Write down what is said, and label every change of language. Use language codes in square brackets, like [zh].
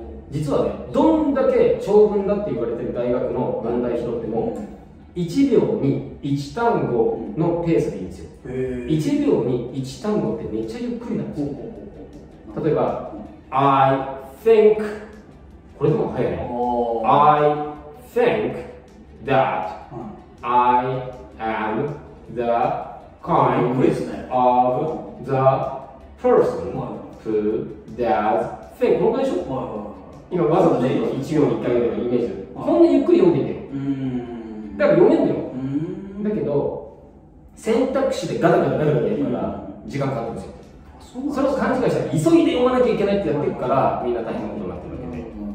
[ja] 実はね、どんだけ長文だって言われてる大学の問題拾っても、うん、1秒に1単語のペースでいいんですよ。 1秒に1単語ってめっちゃゆっくりなんですよ。例えば、 [en] I think、 [ja] これでも早いね。 [en] I think that I am the kind of the person who does think。 [ja] このくらいでしょ？今わざと1秒に1回読むイメージで。ほんのゆっくり読んでみてよ。だから読めんのよ。だけど、選択肢でガタガタガタガタやるから時間かかるんですよ。それを勘違いしたら急いで読まなきゃいけないってやっていくから、みんな大変なことになってるわけで。